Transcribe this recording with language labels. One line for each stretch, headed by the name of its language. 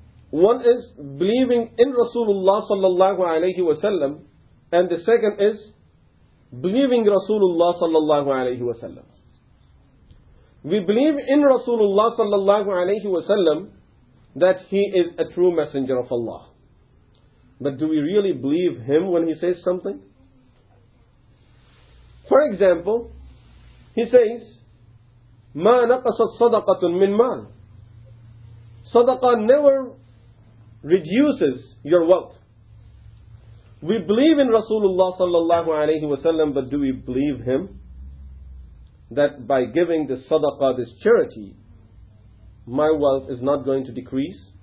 English: One is believing in Rasulullah sallallahu alayhi wa sallam, and the second is believing Rasulullah sallallahu alayhi wa sallam. We believe in Rasulullah sallallahu alayhi wa sallam that he is a true messenger of Allah. But do we really believe him when he says something? For example, he says,
Arabic: مَا نَقَصَتْ صَدَقَةٌ مِّنْ مَالٍ.
English: Sadaqah never reduces your wealth. We believe in Rasulullah sallallahu alayhi wa sallam, but do we believe him? That by giving this sadaqah, this charity, my wealth is not going to decrease.